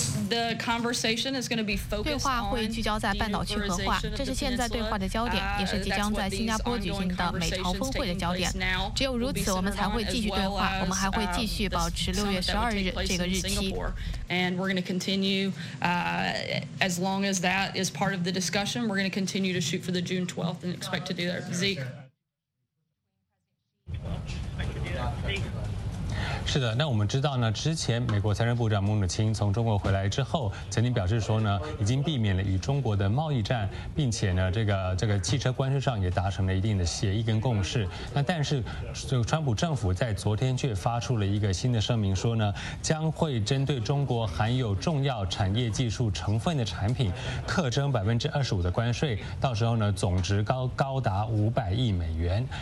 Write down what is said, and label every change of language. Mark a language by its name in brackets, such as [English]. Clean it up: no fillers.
[Chinese] 对话会聚焦在半岛区核化，这是现在对话的焦点，也是即将在新加坡举行的美朝峰会的焦点。只有如此，我们才会继续对话，我们还会继续保持6月12日这个日期。 [English] And we're going to continue, as long as that is part of the discussion, we're going to continue to shoot for the June 12th and expect to do that. Zeke. [Chinese] 是的，那我们知道呢，之前美国财政部长穆努钦从中国回来之后，曾经表示说呢，已经避免了与中国的贸易战，并且呢，这个汽车关税上也达成了一定的协议跟共识。那但是，这个川普政府在昨天却发出了一个新的声明，说呢，将会针对中国含有重要产业技术成分的产品，课征25%的关税，到时候呢，总值高达500亿美元。